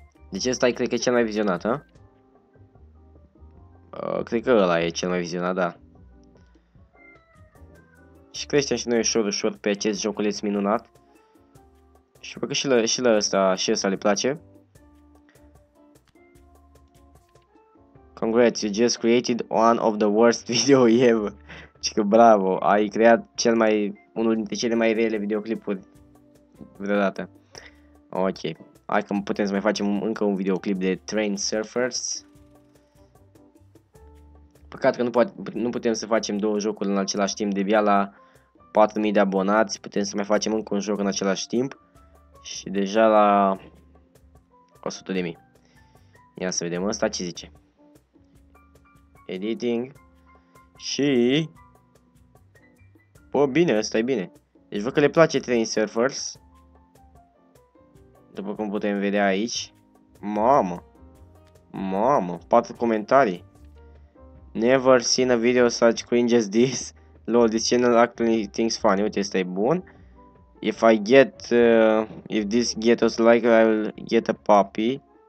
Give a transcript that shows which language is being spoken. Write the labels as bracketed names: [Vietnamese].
[Romanian] Deci ăsta e, cred că, cel mai vizionat, ha? Cred că ăla e cel mai vizionat, da. Și creștem și noi ușor, ușor pe acest joculeț minunat. Și văd că și ăsta le place. [English] Congrats, you just created one of the worst video ever. [Romanian] Și că bravo, ai creat cel mai, unul dintre cele mai rele videoclipuri vreodată. Ok. Hai că putem să mai facem încă un videoclip de Train Surfers. Păcat că nu putem să facem două jocuri în același timp, deja la 4.000 de abonați, putem să mai facem încă un joc în același timp și deja la 100.000. Ia să vedem ăsta ce zice. Editing și... Bă, bine, ăsta e bine. Deci văd că le place Train Surfers. După cum putem vedea aici. Mamă! Mamă! 4 comentarii. [English] Never seen a video such cringe as this. Lol, this channel actually thinks funny. [Romanian] Uite, ăsta e bun. [English] If I get... if this get us like, I will get a puppy.